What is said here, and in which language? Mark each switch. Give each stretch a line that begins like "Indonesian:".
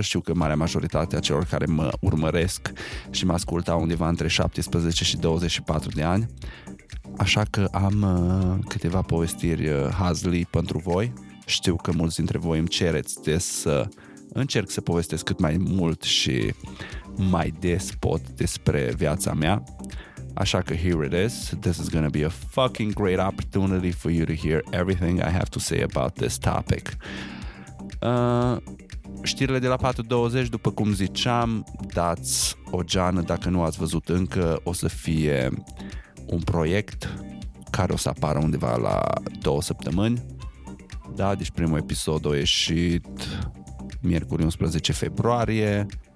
Romanian: Știu că marea majoritate a celor care mă urmăresc și mă ascultau undeva între 17 și 24 de ani, așa că am câteva povestiri hazli pentru voi. Știu că mulți dintre voi îmi cereți des să încerc să povestesc cât mai mult și mai des pot despre viața mea, așa că
English: here it is. This is gonna be a fucking great opportunity for you to hear everything I have to say about this topic.
Romanian: Știrile de la 420, după cum ziceam, dați o geană dacă nu ați văzut încă, o să fie un proiect care o să apară undeva la două săptămâni. Da, deci primul episod a ieșit miercuri 11 februarie.